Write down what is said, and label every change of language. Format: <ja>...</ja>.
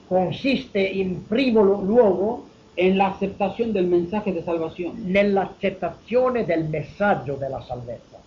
<it>consiste in primo luogo</it> <es>en la aceptación del mensaje de salvación.</es> <it>Nell'accettazione del messaggio della salvezza.</it>